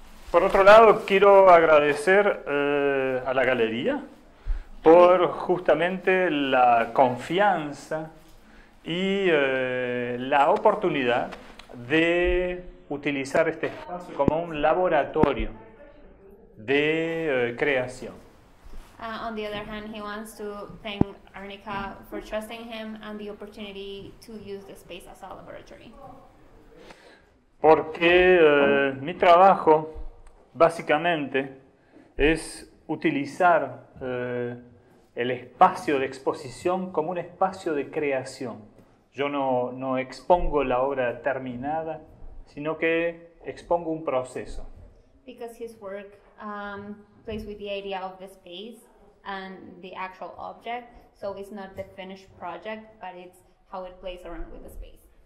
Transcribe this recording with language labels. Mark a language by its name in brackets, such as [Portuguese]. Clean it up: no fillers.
[Spanish] Por otro lado, quiero agradecer a la galería por justamente la confianza y la oportunidad de utilizar este espacio como un laboratorio de creación. [English] On the other hand, he wants to thank Arnica for trusting him and the opportunity to use the space as a laboratory. [Spanish] Porque mi trabajo básicamente es utilizar el espacio de exposición como un espacio de creación. Yo no expongo la obra terminada, sino que expongo un proceso. [English] Because his work plays with the idea of the space and the actual object, so it's not the finished project, but it's how it plays around with the space.